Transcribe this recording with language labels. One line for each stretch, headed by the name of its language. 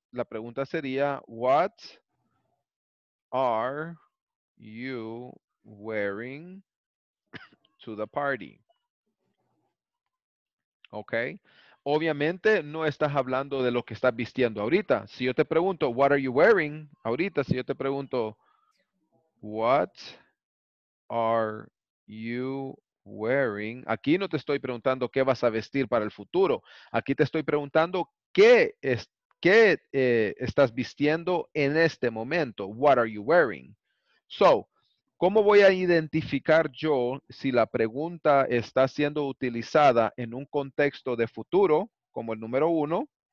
Spanish: La pregunta sería,
English: what are you wearing to the party? Okay.
Spanish: Obviamente no estás hablando de lo que estás vistiendo ahorita. Si yo te pregunto,
English: what are you wearing?
Spanish: Ahorita, si yo te pregunto, what are you wearing? Aquí no te estoy preguntando qué vas a vestir para el futuro. Aquí te estoy preguntando qué estás vistiendo en este momento.
English: What are you wearing? So,
Spanish: ¿cómo voy a identificar yo si la pregunta está siendo utilizada en un contexto de futuro, como el número uno?